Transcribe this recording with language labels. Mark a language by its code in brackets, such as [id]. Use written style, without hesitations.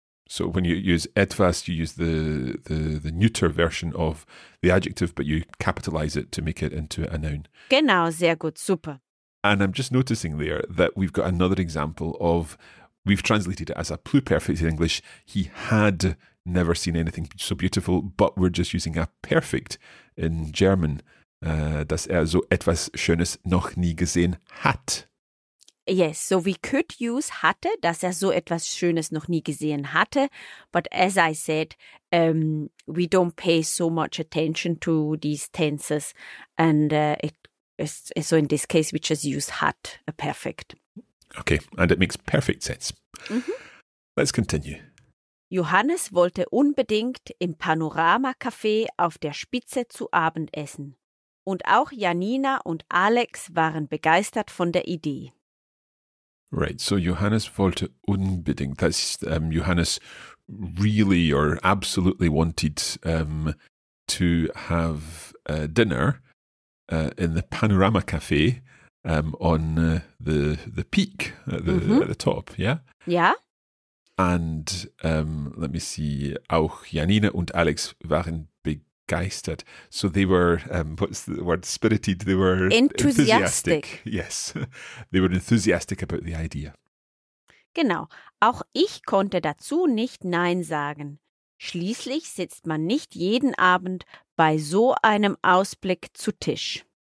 [en] So when you use etwas, you use the neuter version of the adjective, but you capitalize it to make it into a noun. [de] Genau, sehr gut, super. [en] And I'm just noticing there that we've got another example of, we've translated it as a pluperfect in English. He had never seen anything so beautiful, but we're just using a perfect in German. [de] Dass so etwas Schönes noch nie gesehen hat. [en] Yes, so we could use [de] hatte, dass so etwas Schönes noch nie gesehen hatte. [en] But as I said, we don't pay so much attention to these tenses. And so in this case, we just use hat, a perfect. Okay, and it makes perfect sense. Mm-hmm. Let's continue. [de] Johannes wollte unbedingt im Panorama-Café auf der Spitze zu Abend essen. Und auch Janina und Alex waren begeistert von der Idee. [en] Right, so [de] Johannes wollte unbedingt, [en] that's Johannes really or absolutely wanted to have dinner in the Panorama Café on the peak, at the top, yeah? Yeah. And let me see, [de] auch Janina und Alex waren begeistert. [en] So they were, what's the word, spirited? They were enthusiastic. Yes, they were enthusiastic about the idea. [de] Genau. Auch ich konnte dazu nicht Nein sagen. Schließlich sitzt man nicht jeden Abend bei so einem Ausblick zu Tisch.